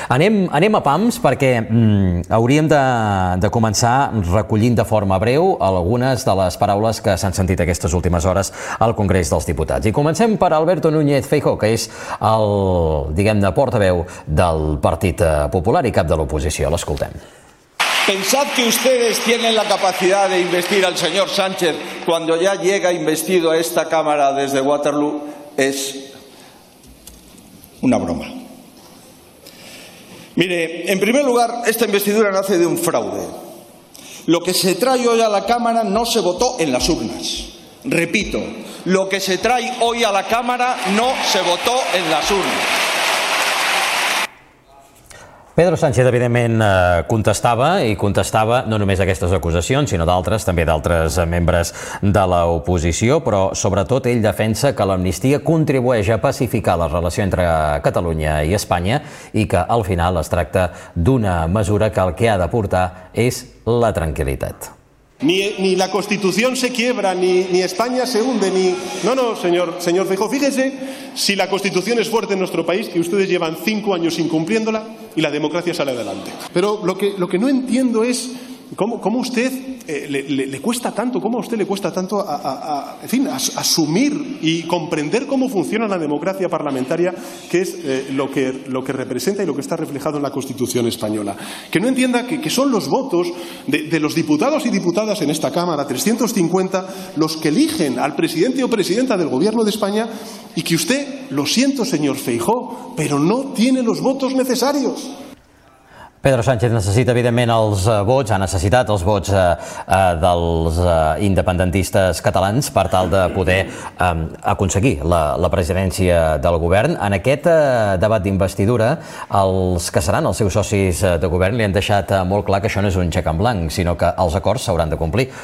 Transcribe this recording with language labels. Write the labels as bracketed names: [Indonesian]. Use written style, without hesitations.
[Catalan] Anem a pams perquè hauríem de començar recollint de forma breu algunes de les paraules que s'han sentit aquestes últimes hores al Congrés dels Diputats. I comencem per Alberto Núñez Feijóo, que és el, diguem-ne, portaveu del Partit Popular i cap de l'oposició. L'escoltem. [Spanish] Pensad que ustedes tienen la capacidad de investir al señor Sánchez cuando ya llega investido a esta cámara desde Waterloo. Es una broma. Mire, en primer lugar, esta investidura nace de un fraude. Lo que se trae hoy a la Cámara no se votó en las urnas. Repito, lo que se trae hoy a la Cámara no se votó en las urnas. [Catalan] Pedro Sánchez, evidentment, contestava no només aquestes acusacions, sinó d'altres, també d'altres membres de l'oposició, però sobretot ell defensa que l'amnistia contribueix a pacificar la relació entre Catalunya i Espanya i que al final es tracta d'una mesura que el que ha de portar és la tranquil·litat. [Spanish] Ni la Constitución se quiebra, ni España se hunde, ni... No, no, señor Feijóo, fíjese si la Constitución es fuerte en nuestro país y ustedes llevan 5 años incumpliéndola y la democracia sale adelante. Pero lo que no entiendo es cómo usted le cuesta tanto, cómo a usted le cuesta tanto asumir y comprender cómo funciona la democracia parlamentaria, que es lo que representa y lo que está reflejado en la Constitución española. Que no entienda que son los votos de los diputados y diputadas en esta Cámara, 350, los que eligen al presidente o presidenta del Gobierno de España, y que usted, lo siento, señor Feijóo, pero no tiene los votos necesarios. [Catalan] Pedro Sánchez necessita, evidentment, els vots, ha necessitat els vots dels independentistes catalans per tal de poder aconseguir la presidència del govern. En aquest debat d'investidura, els que seran els seus socis de govern li han deixat molt clar que això no és un xec en blanc, sinó que els acords s'hauran de complir.